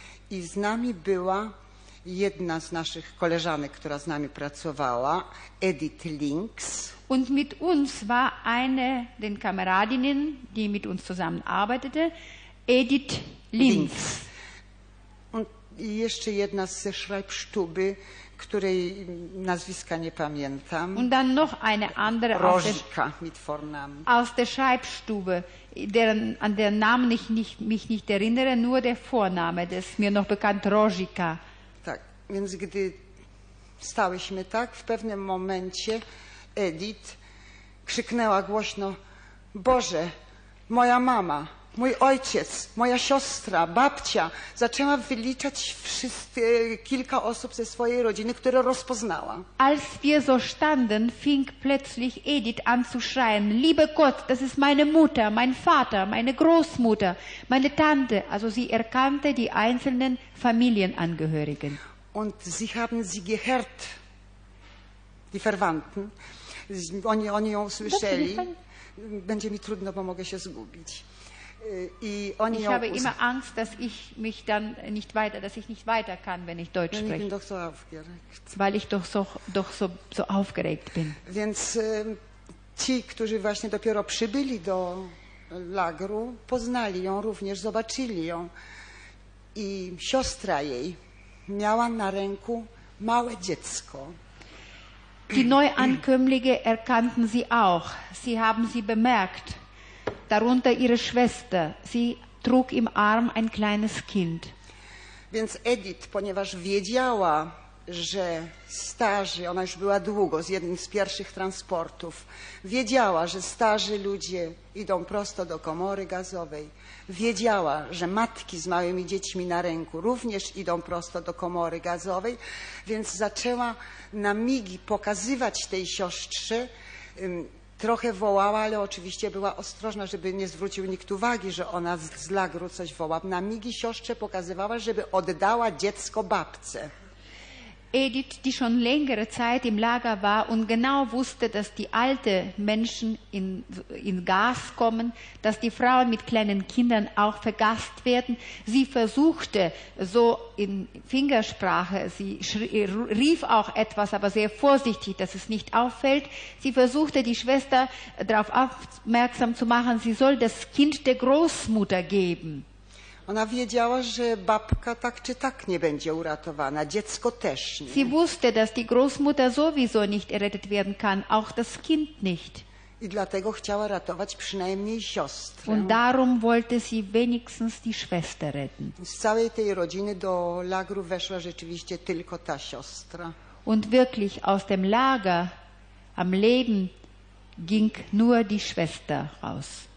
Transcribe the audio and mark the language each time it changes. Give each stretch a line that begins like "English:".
Polish: I z nami była jedna z naszych koleżanek, która z nami pracowała, Edith Links.
German: Und mit uns war eine den Kameradinnen, die mit uns zusammenarbeitete, Edith Linz.
Polish: Und jeszcze jedna ze Schreibstube, której nazwiska nie pamiętam.
German: Und dann noch eine andere Rożka mit Vornamen. Aus der Schreibstube, an deren Namen ich mich nicht erinnere, nur der Vorname, der ist mir noch bekannt, Rożka.
Polish: Tak, więc gdy stałyśmy tak, w pewnym momencie Edith krzyknęła głośno: Boże, moja mama, mój ojciec, moja siostra, babcia, zaczęła wyliczać wszystkie kilka osób ze swojej rodziny, które rozpoznała.
German: Als wir so standen, fing plötzlich Edith an zu schreien: Liebe Gott, das ist meine Mutter, mein Vater, meine Großmutter, meine Tante. Also sie erkannte die einzelnen Familienangehörigen. Und sie haben sie gehört, die Verwandten.
Polish: Oni ją usłyszeli. Będzie mi trudno, bo mogę się zgubić.
German: Ich habe immer Angst, dass ich mich dann nicht weiter, dass ich nicht weiter kann, wenn ich Deutsch spreche. Ich bin doch so aufgeregt. Weil ich doch so aufgeregt bin.
Polish: Więc ci, którzy właśnie dopiero przybyli do lagru, poznali ją również, zobaczyli ją. I siostra jej miała na ręku małe dziecko.
German: Die Neuankömmlinge erkannten sie auch. Sie haben sie bemerkt. Darunter ihre Schwester. Sie trug im Arm ein kleines Kind.
Polish: Więc Edith, ponieważ wiedziała, że starzy, ona już była długo z jednym z pierwszych transportów, wiedziała, że starzy ludzie idą prosto do komory gazowej, wiedziała, że matki z małymi dziećmi na ręku również idą prosto do komory gazowej, więc zaczęła na migi pokazywać tej siostrze, trochę wołała, ale oczywiście była ostrożna, żeby nie zwrócił nikt uwagi, że ona z lagru coś woła. Na migi siostrze pokazywała, żeby oddała dziecko babce.
German: Edith, die schon längere Zeit im Lager war und genau wusste, dass die alten Menschen in Gas kommen, dass die Frauen mit kleinen Kindern auch vergast werden. Sie versuchte so in Fingersprache, sie rief auch etwas, aber sehr vorsichtig, dass es nicht auffällt. Sie versuchte, die Schwester darauf aufmerksam zu machen, sie soll das Kind der Großmutter geben.
Polish: Ona wiedziała, że babka tak czy tak nie będzie uratowana, dziecko też nie.
German: Sie wusste, dass die Großmutter sowieso nicht errettet werden kann, auch das Kind nicht.
Polish: I dlatego chciała ratować przynajmniej siostrę.
German: Und darum wollte sie wenigstens die Schwester retten.
Polish: Z całej tej rodziny do lagru weszła rzeczywiście tylko ta siostra.
German: Und wirklich aus dem Lager am Leben ging nur die Schwester raus.